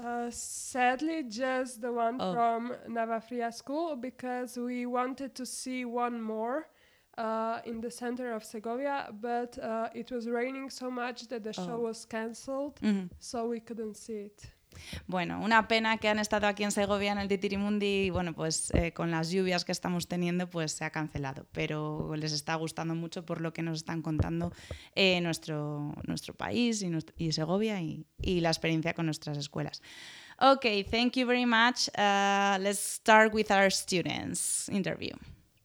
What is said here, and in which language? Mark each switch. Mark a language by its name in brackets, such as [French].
[English] Sadly, just the one from Nova Fria school, because we wanted to see one more in the center of Segovia, but it was raining so much that the show was cancelled, mm-hmm. so we couldn't see it. [Spanish] Bueno, una pena que han estado aquí en Segovia en el Titiri Mundi y bueno, pues con las lluvias que estamos teniendo pues se ha cancelado, pero les está gustando mucho por lo que nos están contando nuestro país y Segovia y la experiencia con nuestras escuelas. [English] Okay, thank you very much. Let's start with our students interview.